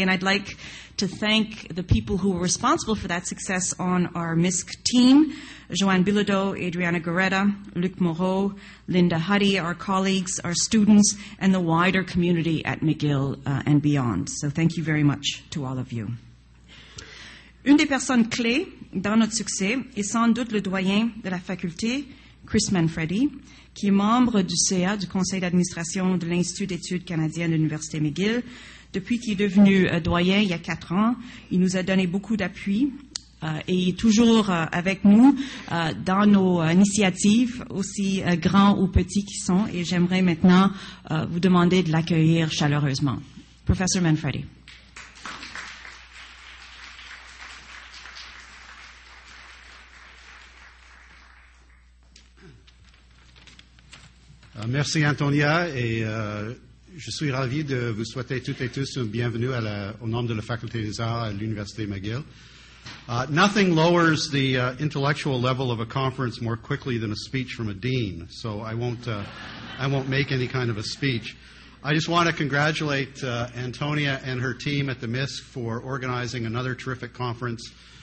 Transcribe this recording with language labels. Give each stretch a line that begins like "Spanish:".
English: And I'd like to thank the people who were responsible for that success on our MISC team, Joanne Bilodeau, Adriana Goretta, Luc Moreau, Linda Huddy, our colleagues, our students, and the wider community at McGill and beyond. So thank you very much to all of you.
French: Une des personnes clés dans notre succès est sans doute le doyen de la faculté, Chris Manfredi, qui est membre du CA, du Conseil d'administration de l'Institut d'études canadiennes de l'Université McGill. Depuis qu'il est devenu doyen il y a 4 ans, il nous a donné beaucoup d'appui et est toujours avec nous dans nos initiatives, aussi grands ou petits qu'ils sont. Et j'aimerais maintenant vous demander de l'accueillir chaleureusement.
English: Professor Manfredi.
French: Merci, Antonia, et je suis ravi de vous souhaiter toutes et tous une bienvenue au nom de la Faculté des Arts à l'Université McGill.
English: Nothing lowers the intellectual level of a conference more quickly than a speech from a dean, so I won't make any kind of a speech. I just want to congratulate Antonia and her team at the MISC for organizing another terrific conference.